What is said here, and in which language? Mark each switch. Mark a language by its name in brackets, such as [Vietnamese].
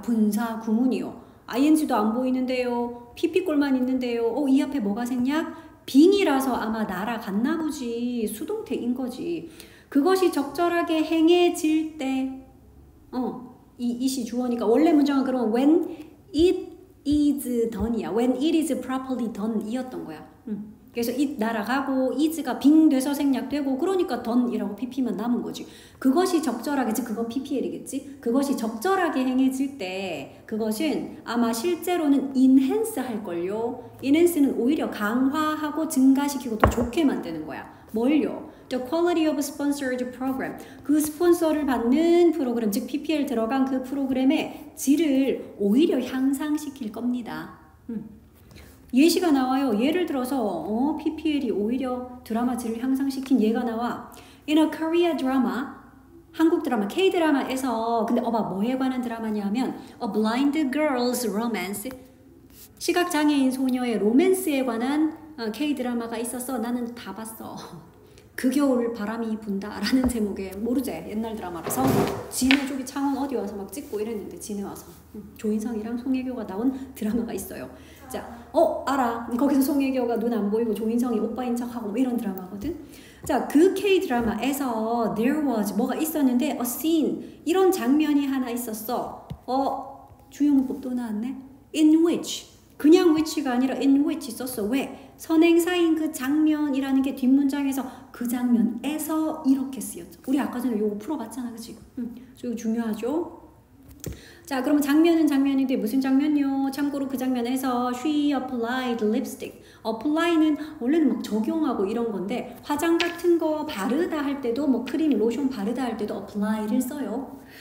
[Korean] 분사 구문이요. ing도 안 보이는데요. pp꼴만 있는데요. 이 앞에 뭐가 생냐? being이라서 아마 날아갔나 보지. 수동태인 거지. 그것이 적절하게 행해질 때. 이 it이 주어니까. 원래 문장은 그러면 [English] when it is done이야. when it is properly done이었던 거야. [Korean] 그래서 it 날아가고 is가 빙 돼서 생략되고 그러니까 done이라고 pp만 남은 거지. 그것이 적절하게, 즉 그건 ppl이겠지? 그것이 적절하게 행해질 때 그것은 아마 실제로는 enhance 할걸요. enhance는 오히려 강화하고 증가시키고 더 좋게 만드는 거야. 뭘요? [English] The quality of sponsored program. [Korean] 그 스폰서를 받는 프로그램, 즉 ppl 들어간 그 프로그램의 질을 오히려 향상시킬 겁니다. 예시가 나와요. 예를 들어서 PPL이 오히려 드라마 질을 향상시킨 예가 나와. [English] In a Korea drama, [Korean] 한국 드라마, K-드라마에서 근데 뭐에 관한 드라마냐면 [English] A blind girl's romance, [Korean] 시각장애인 소녀의 로맨스에 관한 K-드라마가 있었어. 나는 다 봤어. 그 겨울 바람이 분다 라는 제목의 모르제 옛날 드라마라서 진해 쪽이 창원 어디 와서 막 찍고 이랬는데 진해 와서 조인성이랑 송혜교가 나온 드라마가 있어요. 자, 알아. 거기서 송혜교가 눈 안 보이고 조인성이 오빠인 척하고 뭐 이런 드라마거든. 자, 그 K-드라마에서 there was 뭐가 있었는데 a scene 이런 장면이 하나 있었어. 주요문법 또 나왔네. in which 그냥 which가 아니라 in which 있었어. 왜? 선행사인 그 장면이라는 게 뒷문장에서 그 장면에서 이렇게 쓰였죠. 우리 아까 전에 요거 풀어봤잖아, 그치? 이거 중요하죠? 자, 그러면 장면은 장면인데 무슨 장면이요? 참고로 그 장면에서 [English] she applied lipstick. [Korean] apply는 원래는 막 적용하고 이런 건데 화장 같은 거 바르다 할 때도 뭐 크림, 로션 바르다 할 때도 apply를 써요.